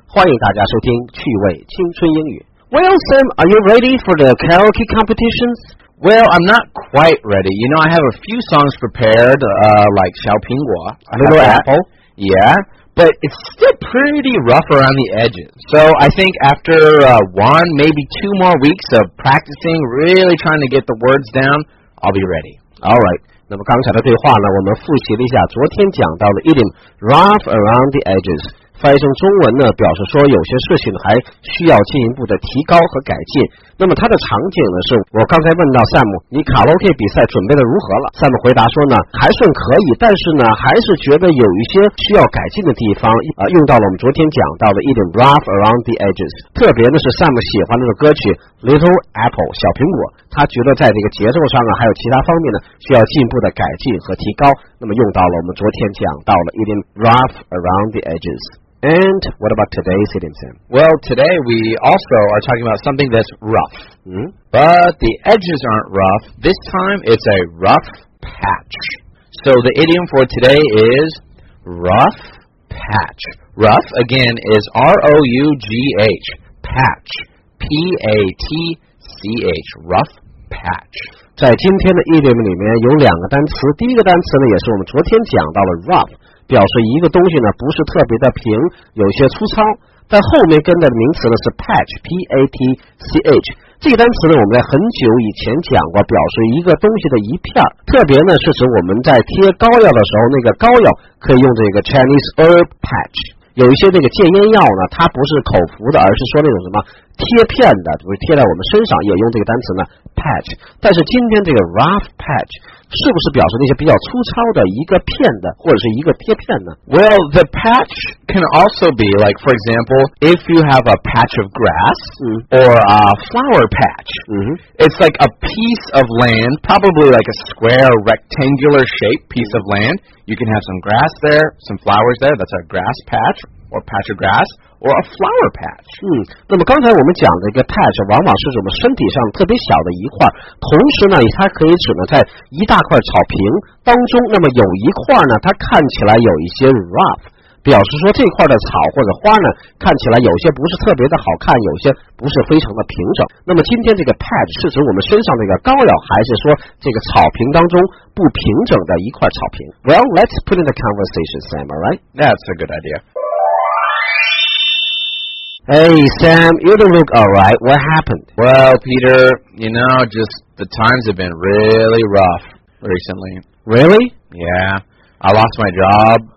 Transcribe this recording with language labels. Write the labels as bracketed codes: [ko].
[zh] 欢迎大家收听趣味青春英语。 [en] Well, Sam, are you ready for the karaoke competitions? Well, I'm not quite ready. You know, I have a few songs prepared, like 小苹果 Little Apple. Yeah, but it's still pretty rough around the edges. So I think after one, maybe two more weeks of practicing, really trying to get the words down, I'll be ready. All right. [zh] 那么刚才的对话呢，我们复习了一下昨天讲到的 idiom rough around the edges， 翻译成中文呢，表示说有些事情还需要进一步的提高和改进。那么它的场景呢，是我刚才问到 Sam， 你卡拉 OK 比赛准备的如何了？ Sam 回答说呢，还算可以，但是呢，还是觉得有一些需要改进的地方。用到了我们昨天讲到的 idiom rough around the edges， 特别呢是 Sam 喜欢的歌曲 Little Apple 小苹果。他觉得在这个节奏上啊，还有其他方面呢，需要进一步的改进和提高。那么用到了我们昨天讲到了 idiom rough around the edges. [en] And what about today's idiom, Sam? Well, today we also are talking about something that's rough. But the edges aren't rough. This time it's a rough patch. So the idiom for today is rough patch. Rough, again, is R-O-U-G-H. Patch. P-A-T-C-H. Rough. Patch. [zh] 在今天的 idiom 里面有两个单词，第一个单词呢也是我们昨天讲到了 rough， 表示一个东西呢不是特别的平，有些粗糙，但后面跟的名词呢是 patch， P-A-T-C-H。这个单词呢我们在很久以前讲过，表示一个东西的一片，特别呢是指我们在贴膏药的时候，那个膏药可以用这个 [en] Chinese herb patch。 [zh] 有一些那个戒烟药呢，它不是口服的，而是说那种什么贴片的，就是贴在我们身上，也用这个单词呢 patch。但是今天这个 rough patch 是不是表示那些比较粗糙的一个片的，或者是一个贴片呢？ [en] Well, the patch can also be like, for example, if you have a patch of grass or a flower patch. It's like a piece of land, probably like a square, rectangular shape piece of land. You can have some grass there, some flowers there. That's a grass patch. Or patch of grass, or a flower patch. [zh] 那么刚才我们讲的一个 patch 往往是我们身体上特别小的一块，同时呢，它可以指呢在一大块草坪当中，那么有一块呢，它看起来有一些 rough， 表示说这块的草或者花呢，看起来有些不是特别的好看，有些不是非常的平整。那么今天这个 patch 是指我们身上的一个膏药，还是说这个草坪当中不平整的一块草坪？ [en] Well, let's put in the conversation, Sam. All right, that's a good idea. Hey, Sam, you don't look all right. What happened? Well, Peter, you know, just the times have been really rough recently. Really? Yeah. I lost my job.